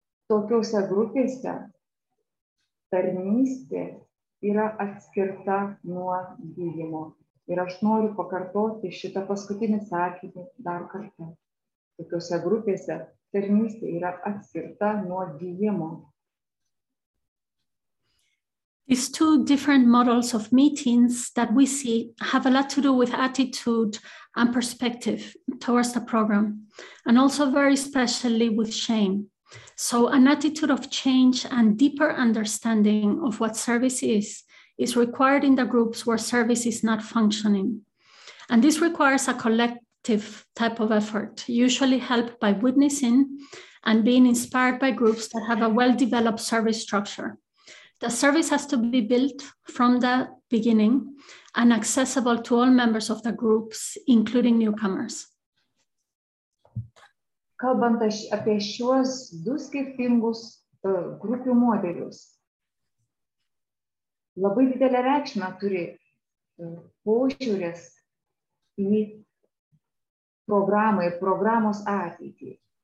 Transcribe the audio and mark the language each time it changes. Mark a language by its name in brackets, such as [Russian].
[Lithuanian] Tokiose grupėse tarnystė yra atskirta nuo gyjimo. Ir aš noriu pakartoti šitą paskutinį sakinį dar kartą. Tokiose grupėse tarnystė yra atskirta nuo gyjimo. [English] These two different models of meetings that we see have a lot to do with attitude and perspective towards the program, and also very specially with shame. So an attitude of change and deeper understanding of what service is required in the groups where service is not functioning. And this requires a collective type of effort, usually helped by witnessing and being inspired by groups that have a well-developed service structure. The service has to be built from the beginning and accessible to all members of the groups, including newcomers. [Lithuanian] Kalbant apie šiuos du skirtingus grupių modelius, labai didelę reikšmę turi požiūris į programą ir programos ateitį.